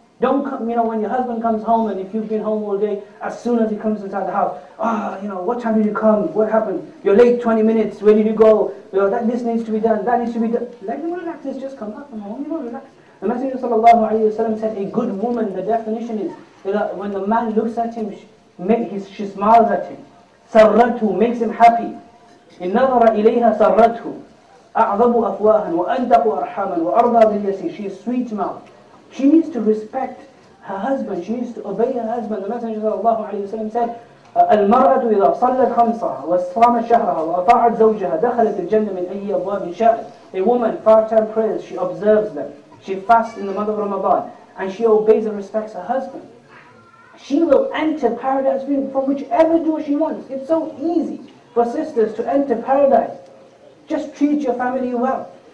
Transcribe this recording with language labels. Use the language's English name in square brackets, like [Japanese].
[English] Don't come, you know, when your husband comes home, and if you've been home all day, as soon as he comes inside the house, you know, what time did you come? What happened? You're late 20 minutes. Where did you go? You know, that this needs to be done. That needs to be done. Let him relax. He's just come back from home. You know, relax. The Messenger [Arabic] sallallahu alayhi wa sallam [English] said, a good woman, the definition is, when the man looks at him, she smiles at him. [Arabic] Sarratu, [English] makes him happy. [Arabic] In nazara ilayha sarratu. أعظم أفواها وأنتق أرحاما وأرضى باليسير. [English] She is sweet mouth. She needs to respect her husband. She needs to obey her husband. The Messenger of Allah said, [Arabic] المرأة إذا صلت خمسها وصامت شهرها وأطاعت زوجها دخلت الجنة من أي أبواب شاءت. [English] A woman, 5 times prayers, she observes them. She fasts in the month of Ramadan. And she obeys and respects her husband. She will enter paradise from whichever door she wants. It's so easy for sisters to enter paradise. Just treat your family well.